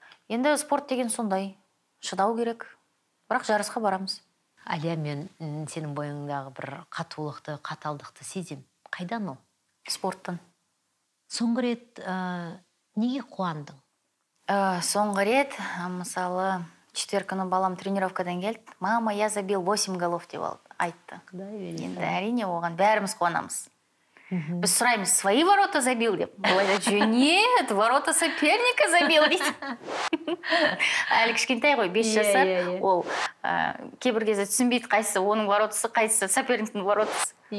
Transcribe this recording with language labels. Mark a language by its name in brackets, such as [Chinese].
[Kazakh] Енді спорт деген сондай, шыдау керек, бірақ жарысқа барамыз. Алия, мен сенің бойыңдағы бір қатулықты, қаталдықты сезем. Қайдан ол? Спорттан. Соңғы рет неге қуандың? Соңғы рет, мысалы, четверг күні балам тренировкадан келді. [Russian] Мама, я забил 8 голов [Kazakh] деп айтты. Енді әрине оған бәріміз қуанамыз. [Russian] Мы спрашиваем, свои ворота забили? Нет, ворота соперника забили. [Kazakh] Алекс Кентай, ой, бес жасар. Ол, кейбір кезде түсінбейді қайсы, оның воротасы қайсы, соперниктің воротасы.